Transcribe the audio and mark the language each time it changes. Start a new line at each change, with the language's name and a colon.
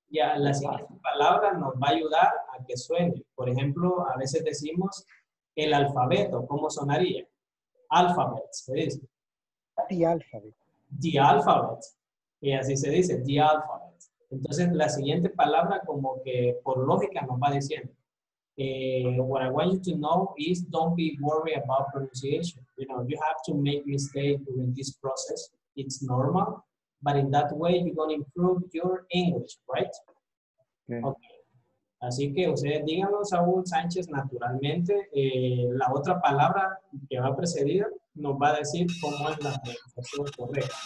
Spanish: Ya, la siguiente palabra nos va a ayudar a que suene. Por ejemplo, a veces decimos el alfabeto. ¿Cómo sonaría? Alphabet, se dice.
English: The alphabet. The alphabet.
Spanish: Y así se dice, the alphabet. Entonces, la siguiente palabra como que por lógica nos va diciendo.
English: What I want you to know is don't be worried about pronunciation. You know, you have to make mistakes during this process. It's normal. But in that way, you're going to improve your English, right? Okay. Okay.
Spanish: Así que ustedes díganlo, Saúl Sánchez, naturalmente. La otra palabra que va a precedir nos va a decir cómo es la pronunciación correcta.